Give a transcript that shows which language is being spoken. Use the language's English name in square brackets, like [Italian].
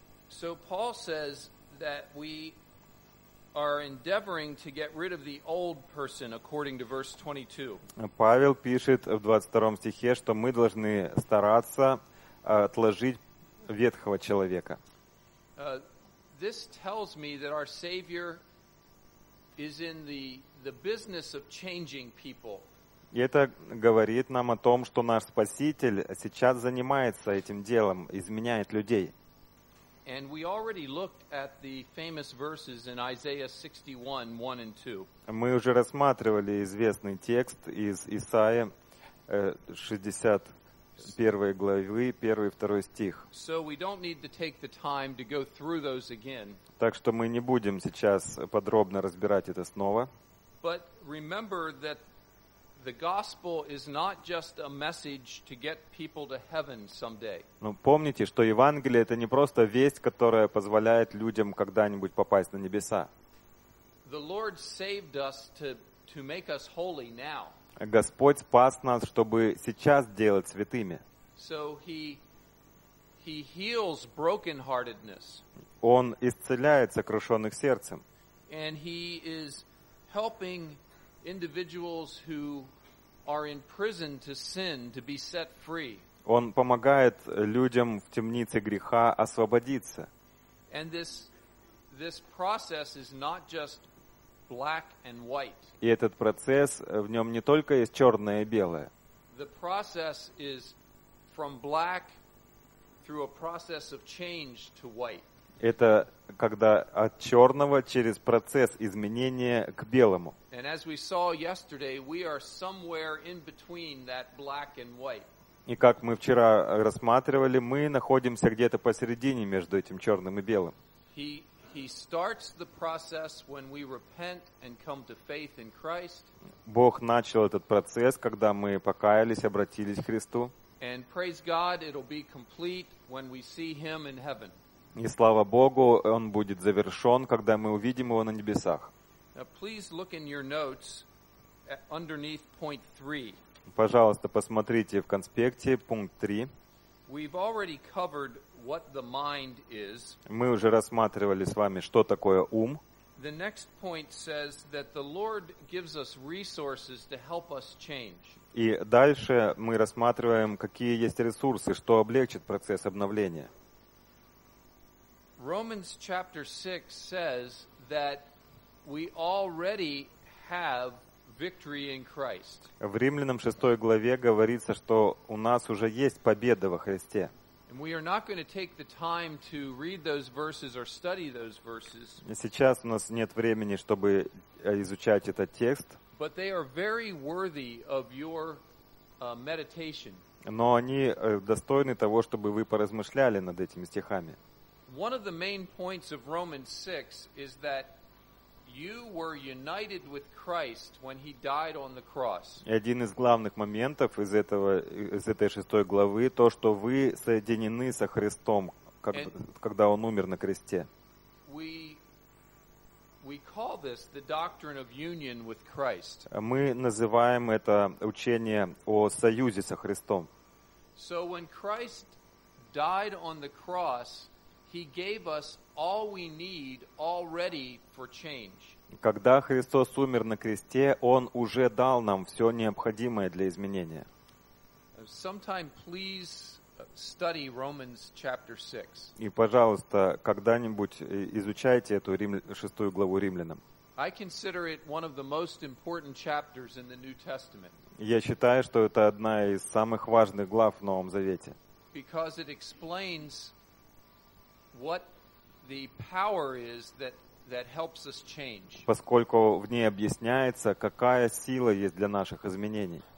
[English] So Paul says that we are endeavoring to get rid of the old person, according to verse 22. [Russian] Павел пишет в 22 стихе, что мы должны стараться отложить ветхого человека. [English] This tells me that our Savior is in the business of changing people. [Russian] И это говорит нам о том, что наш Спаситель сейчас занимается этим делом, изменяет людей. [English] And we already looked at the famous verses in Isaiah 61, 1 and 2. [Russian] Мы уже рассматривали известный текст из Исаия 61 главы, 1 и 2 стих. [English] So we don't need to take the time to go through those again. [Russian] Так что мы не будем сейчас подробно разбирать это снова. [English] But remember that the gospel is not just a message to get people to heaven someday. [Russian] Ну, помните, что Евангелие это не просто весть, которая позволяет людям когда-нибудь попасть на небеса. [English] The Lord saved us to make us holy now. [Russian] Господь спас нас, чтобы сейчас делать святыми. [English] So he heals brokenheartedness. [Russian] Он исцеляет сокрушённых сердцем. [English] And he is helping individuals who are in prison to sin to be set free. [Russian] Он помогает людям в темнице греха освободиться. [English] And this process is not just black and white. [Russian] И этот процесс, в нём не только есть чёрное и белое. [English] The process is from black through a process of change to white. [Russian] Это когда от чёрного через процесс изменения к белому. [English] And as we saw yesterday, we are somewhere in between that black and white. [Russian] И как мы вчера рассматривали, мы находимся где-то посередине между этим чёрным и белым. [English] He starts the process when we repent and come to faith in Christ. [Russian] Бог начал этот процесс, когда мы покаялись, обратились к Христу. [English] And praise God, it'll be complete when we see him in heaven. [Russian] И слава Богу, он будет завершён, когда мы увидим его на небесах. [English] Now, please look in your notes underneath point 3. [Russian] Пожалуйста, посмотрите в конспекте пункт 3. [English] We've already covered what the mind is. [Russian] Мы уже рассматривали с вами, что такое ум. [English] The next point says that the Lord gives us resources to help us change. [Russian] И дальше мы рассматриваем, какие есть ресурсы, что облегчит процесс обновления. [English] Romans chapter 6 says that we already have victory in Christ. [Russian] В Римлянам 6 главе говорится, что у нас уже есть победа во Христе. [English] And we are not going to take the time to read those verses or study those verses. [Russian] Сейчас у нас нет времени, чтобы изучать этот текст. [English] But they are very worthy of your meditation. [Russian] Но они достойны того, чтобы вы поразмышляли над этими стихами. [English] One of the main points of Romans 6 is that you were united with Christ when he died on the cross. [Russian] Один из главных моментов из этой шестой главы то, что вы соединены со Христом, когда он умер на кресте. [English] We call this the doctrine of union with Christ. [Russian] Мы называем это учение о союзе со Христом. [English] So when Christ died on the cross, he gave us all we need already for change. [Russian] Когда Христос умер на кресте, он уже дал нам всё необходимое для изменения. [English] Sometime please study Romans chapter 6. [Russian] И, пожалуйста, когда-нибудь изучайте эту шестую главу Римлянам. [English] I consider it one of the most important chapters in the New Testament. [Russian] Я считаю, что это одна из самых важных глав в Новом Завете. [English] Because it explains what the power is that helps us change. [Russian] Поскольку в ней объясняется, какая сила есть для наших изменений.